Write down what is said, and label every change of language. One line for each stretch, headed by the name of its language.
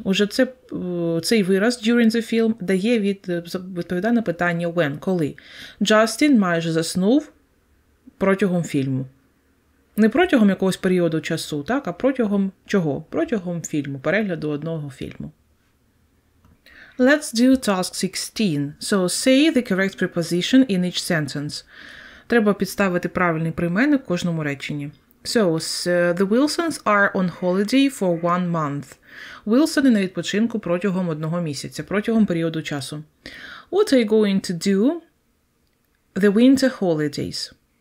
Ukrainian: Уже цей вираз
English: during the film
Ukrainian: дає відповідає на питання when, коли. Justin майже заснув протягом фільму. Не протягом якогось періоду часу, так, а протягом чого? Протягом фільму, перегляду одного фільму.
English: Let's do task 16. So, say the correct preposition in each sentence.
Ukrainian: Треба підставити правильний прийменник в кожному реченні.
English: So, the Wilsons are on holiday for one month.
Ukrainian: Wilsons на відпочинку протягом одного місяця, протягом періоду часу.
English: What are you going to do the winter holidays?